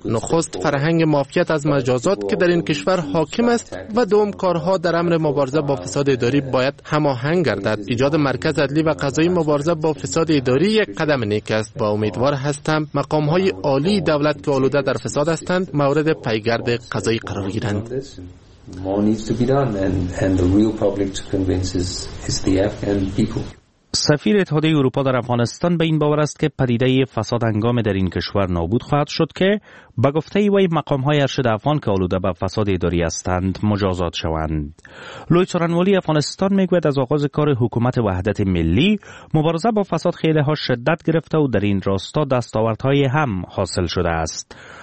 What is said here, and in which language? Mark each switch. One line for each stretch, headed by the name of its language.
Persian: نخست فرهنگ معافیت از مجازات که در این کشور حاکم است، و دوم کارها در امر مبارزه با فساد اداری باید هماهنگ گردد. ایجاد مرکز عدلی و قضایی مبارزه با فساد اداری یک قدم نیک است. با امیدوار هستم مقام‌های عالی دولت که آلوده در فساد هستند مورد پیگرد قضایی قرار گیرند.
English: More needs to be done and the real public to convince is the Afghan people.
Persian: سفیر اتحادیه اروپا در افغانستان به این باور است که پدیده فساد هنگام در این کشور نابود خواهد شد که به گفته ای وی مقام‌های ارشد افغان که آلوده به فساد اداری هستند مجازات شوند. لوی سارنولی افغانستان میگوید از آغاز کار حکومت وحدت ملی مبارزه با فساد خیلی ها شدت گرفته و در این راستا دستاوردهای هم حاصل شده است.